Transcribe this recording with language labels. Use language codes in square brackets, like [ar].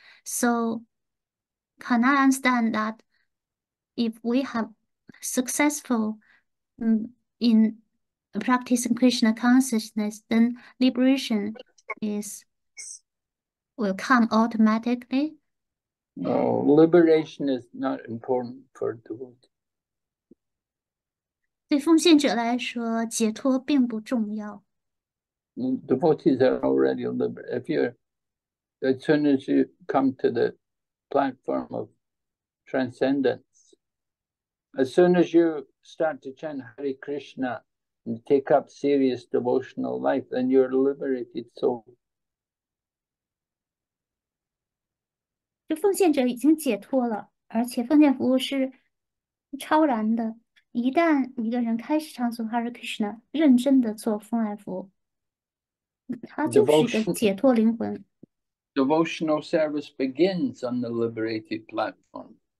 [en] So, can I understand that if we have successful in practicing Krishna consciousness, then liberation will come automatically? No, liberation is not important for the world. [zh] 对奉献者来说，解脱并不重要。 [en] Devotees are already liberated. If you, as soon as you come to the platform of transcendence, as soon as you start to chant Hare Krishna and take up serious devotional life, then you're liberated soul. [zh] 就奉献者已经解脱了，而且奉献服务是超然的。一旦一个人开始唱诵 Hare Krishna，认真的做奉献服务。他就是一个解脱灵魂。 [en] Devotional service begins on the liberated platform.